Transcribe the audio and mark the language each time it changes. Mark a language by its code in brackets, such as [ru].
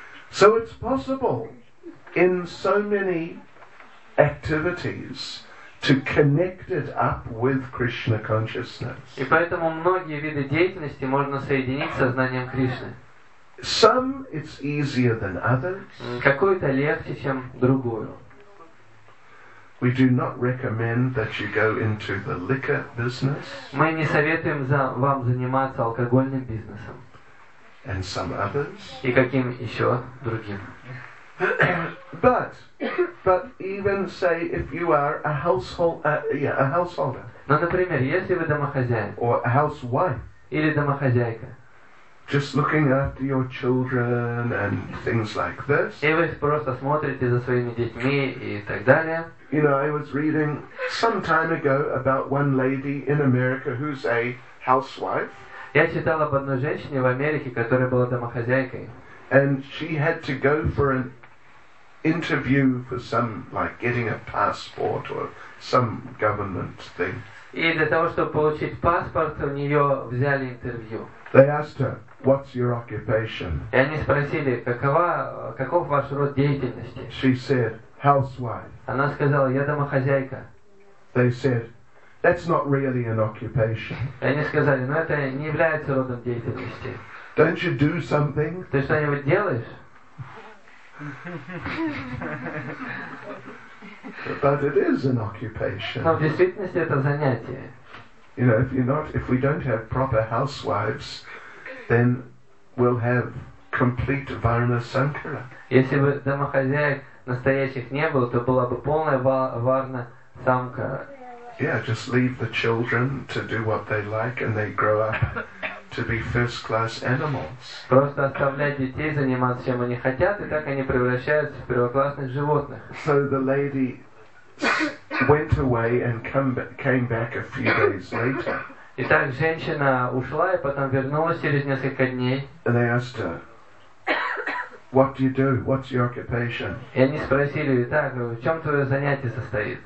[en] So it's possible in so many activities to connect it up with Krishna consciousness. [ru] И поэтому многие виды деятельности можно соединить со знанием Кришны. [en] Some it's easier than others. [ru] Какое-то легче, чем другое. [en] We do not recommend that you go into the liquor business. [ru] Мы не советуем вам заниматься алкогольным бизнесом. [en] And some others. [ru] И каким еще другим? [en] But even say if you are a household a householder. [ru] Но, например, если вы домохозяин. [en] Or a housewife. [ru] Или домохозяйка. [en] Just looking after your children and things like this. [ru] И вы просто смотрите за своими детьми и так далее. [en] You know, I was reading some time ago about one lady in America who's a housewife. [ru] Я читал об одной женщине в Америке, которая была домохозяйкой. [en] And she had to go for an interview for some, like getting a passport or some government thing. [ru] И для того, чтобы получить паспорт, у нее взяли интервью. [en] They asked her, "What's your occupation?" [ru] И они спросили, каков ваш род деятельности? [en] She said, "Housewife." [ru] Она сказала, "Я домохозяйка." [en] They said, "That's not really an occupation." [ru] Они сказали, но это не является родом деятельности. [en] Don't you do something? [ru] Ты что-нибудь делаешь? [en] But it is an occupation. [ru] Но в действительности это занятие. [en] You know, if we don't have proper housewives, then we'll have complete Varna Sankara. [ru] Если бы домохозяек настоящих не было, то была бы полная Варна Сангхара. [en] Yeah, just leave the children to do what they like and they grow up to be first-class animals. [ru] Просто оставлять детей заниматься, чем они хотят, и так они превращаются в первоклассных животных. [en] So the lady went away and came back a few days later. [ru] Итак, женщина ушла и потом вернулась через несколько дней. [en] And they asked her, "What do you do? What's your occupation?" [ru] И они спросили, "Итак, в чем твое занятие состоит?"